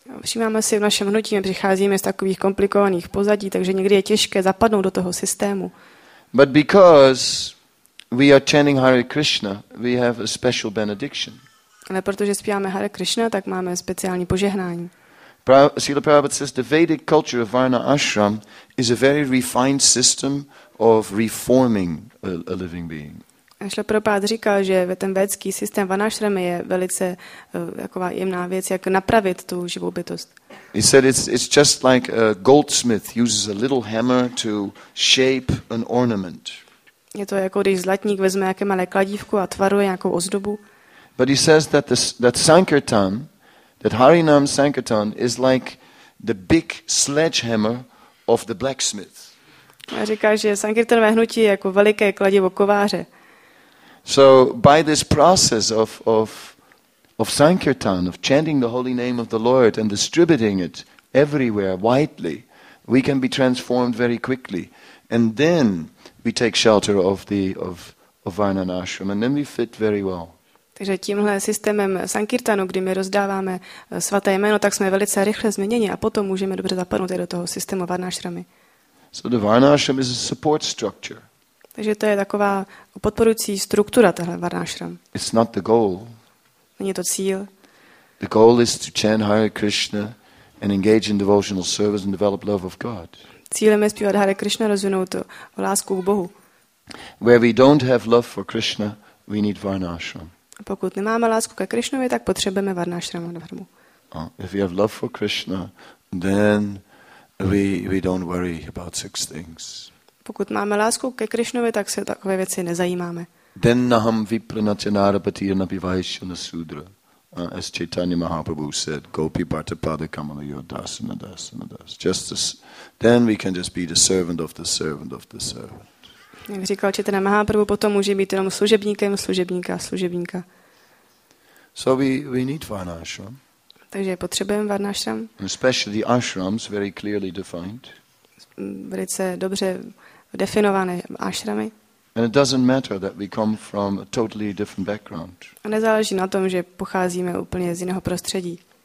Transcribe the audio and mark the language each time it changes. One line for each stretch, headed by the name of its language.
Czech: Všimáme si v našem hnutí, přicházíme z takových komplikovaných pozadí, takže někdy je těžké zapadnout do toho systému.
English: But because we are chanting Hare Krishna, we have a special benediction.
Czech: Ale protože zpíváme Hare Krishna, tak máme speciální požehnání.
English: Srila Prabhupada says the Vedic culture of Varna Ashram is a very refined system of reforming a living being.
Czech: Srila Prabhupada říkal, že ten védský systém vanashrami je velice taková jemná věc, jak napravit tu živou bytost.
English: He said it's just like a goldsmith uses a little hammer to shape an ornament.
Czech: Je to jako když zlatník vezme nějaké malé kladívko a tvaruje nějakou ozdobu.
English: But he says that that sankirtan, that Harinam sankirtan is like the big sledgehammer of the blacksmith.
Czech: A říká, že sankirtanové hnutí je jako veliké kladivo kováře.
English: So by this process of sankirtan, of chanting the holy name of the Lord and distributing it everywhere widely, we can be transformed very quickly, and then we take shelter of Varnanashram, and then we fit very well.
Czech: Takže tímhle systémem sankirtanu, kdy my rozdáváme svaté jméno, tak jsme velice rychle změněni a potom můžeme dobře zapadnout i do toho systému varnashramy.
English: So the varnashram is a support structure.
Czech: Takže to je taková podporující struktura tahle varnashram.
English: It's not the goal.
Czech: Není to cíl.
English: The goal is to chant Hare Krishna and engage in devotional service and develop love of God.
Czech: Cílem je zpívat Hare Krishna, rozvinout lásku k Bohu.
English: Where we don't have love for Krishna, we need varnashram.
Czech: A pokud nemáme lásku ke Krishnovi, tak potřebujeme varnashram dharmu.
English: If you have love for Krishna, then we don't worry about six things.
Czech: Pokud máme lásku ke Krishnovi, tak se takové věci nezajímáme.
Sanskrit: Then naham vipranatya narapatir nabivaishana sudra.
English: As Chaitanya Mahaprabhu said,
Sanskrit: gopi bhartapada kamala yodasana dasana das.
English: Just as, then we can just be the servant of the servant of the servant.
Czech: Jak říkal Chaitanya Mahaprabhu, potom může být jenom služebníkem, služebníka, služebníka.
English: So we need varnashram.
Czech: Takže potřebujeme varnashram.
English: Especially the ashrams, very clearly defined.
Czech: Velice dobře definované ashramy.
English: And it doesn't matter that we come from a totally different background.
Czech: A nezáleží na tom, že pocházíme úplně z jiného prostředí.